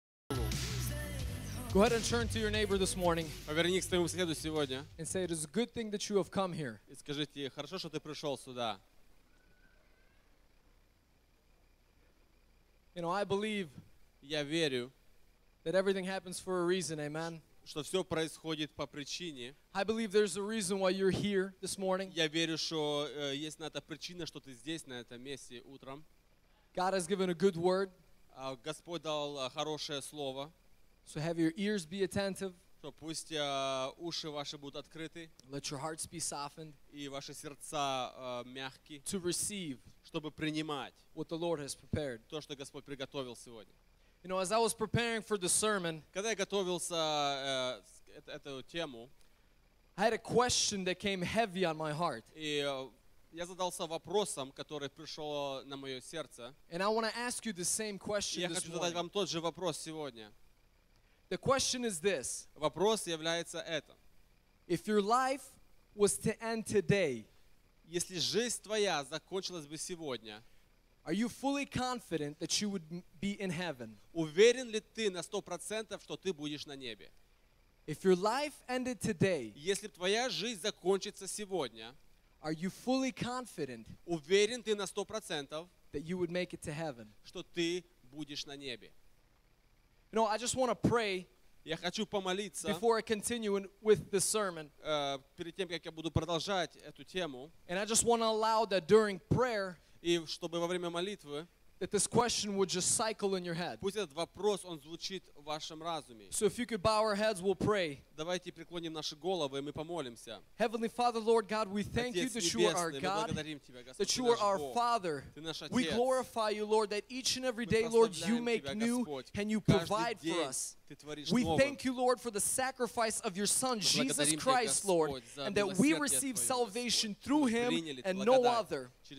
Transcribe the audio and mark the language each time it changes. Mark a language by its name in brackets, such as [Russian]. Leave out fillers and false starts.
[English] Go ahead and turn to your neighbor this morning and say, it is a good thing that you have come here. [Russian] И скажите, хорошо, что ты пришел сюда. [English] You know, I believe [Russian] Я верю, [English] that everything happens for a reason, amen? [Russian] Что все происходит по причине. [English] I believe there's a reason why you're here this morning. [Russian] Я верю, что есть на это причина, что ты здесь, на этом месте утром. [English] God has given a good word. [Russian] Господь дал хорошее слово. [English] So have your ears be attentive. [Russian] То пусть уши ваши будут открыты. [English] Let your hearts be softened. [Russian] И ваши сердца мягки. [English] To receive. [Russian] Чтобы принимать. [English] What the Lord has prepared. [Russian] То, что Господь приготовил сегодня. [English] You know, as I was preparing for the sermon. [Russian] Когда я готовился эту тему. [English] I had a question that came heavy on my heart. [Russian] И я задался вопросом, который пришел на мое сердце. [English] And I want to ask you the same question this morning. [Russian] Я хочу задать вам тот же вопрос сегодня. [English] The question is this. [Russian] Вопрос является это. [English] If your life was to end today, [Russian] если жизнь твоя закончилась бы сегодня, [English] are you fully confident that you would be in heaven? [Russian] Уверен ли ты на 100%, что ты будешь на небе? [English] If your life ended today, [Russian] если твоя жизнь закончится сегодня, [English] are you fully confident? [Russian] Уверен ты на 100%, [English] that you would make it to heaven? [Russian] Что ты будешь на небе? [English] You know, I just want to pray. [Russian] Я хочу помолиться. [English] Before I continue with the sermon, [Russian] перед тем как я буду продолжать эту тему, [English] and I just want to allow that during prayer. [Russian] И чтобы во время молитвы, [English] that this question would just cycle in your head. [Russian] Пусть этот вопрос, он звучит в вашем разуме. [English] So if you could bow our heads, we'll pray. [Russian] Давайте преклоним наши головы, и мы помолимся. [English] Heavenly Father, Lord God, we thank you that you are our God, that you are our Father. We glorify you, Lord, that each and every day, Lord, you make new and you provide for us. We thank you, Lord, for the sacrifice of your Son, Jesus Christ, Lord, and that we receive salvation through him and no other.